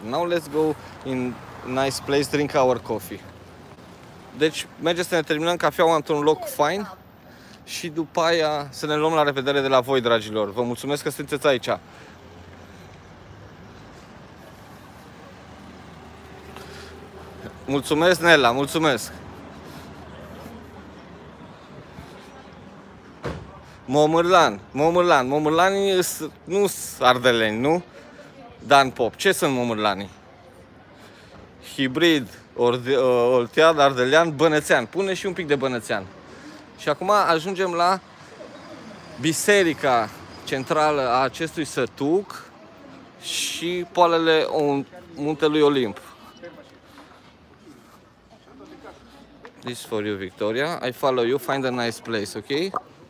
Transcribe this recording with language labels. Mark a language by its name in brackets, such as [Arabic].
[English] Now let's go in nice place, drink our coffee. [Romanian] Deci mergem să ne terminăm cafeaua într-un loc fain și după aia să ne luăm la revedere de la voi, dragilor. Vă mulțumesc că sunteți aici. Mulțumesc, Nela, mulțumesc. Momârlani nu-s ardeleni, nu? Dan Pop, ce sunt momârlanii? Hibrid, oltean, ardelean, bănățean. Pune și un pic de bănățean. Și acum ajungem la biserica centrală a acestui sătuc și poalele muntelui Olimp. [English] This is for you, Victoria. I follow you, find a nice place, ok?